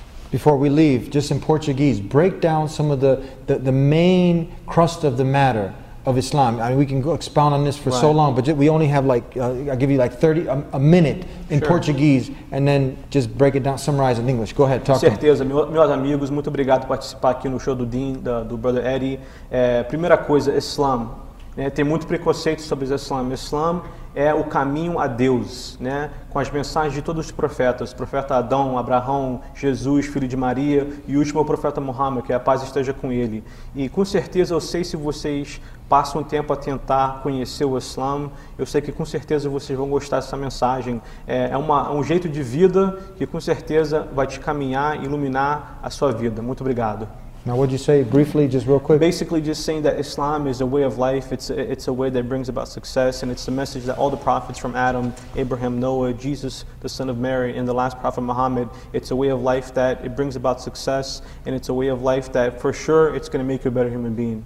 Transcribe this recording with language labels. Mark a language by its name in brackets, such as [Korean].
[English] Before we leave, just in Portuguese, break down some of the main crust of the matter of Islam. I mean, we can go expound on this for so long, but we only have like, I'll give you like 30, a minute in Portuguese, and then just break it down, summarize in English. Go ahead, talk. [Portuguese] Certeza, meus amigos, muito obrigado por participar aqui no show do Dean, do Brother Eddie. Primeira coisa, Islam. Tem muito preconceito sobre Islam. Islam é o caminho a Deus, né? Com as mensagens de todos os profetas, profeta Adão, Abraão, Jesus, filho de Maria, e o último é o profeta Muhammad, que a paz esteja com ele. E com certeza eu sei se vocês passam tempo a tentar conhecer o Islam, eu sei que com certeza vocês vão gostar dessa mensagem. É um jeito de vida que com certeza vai te caminhar, iluminar a sua vida. Muito obrigado. [English] Now, what did you say briefly, just real quick? Basically, just saying that Islam is a way of life. It's a way that brings about success, and it's the message that all the prophets from Adam, Abraham, Noah, Jesus, the son of Mary, and the last prophet Muhammad, it's a way of life that it brings about success, and it's a way of life that for sure it's going to make you a better human being.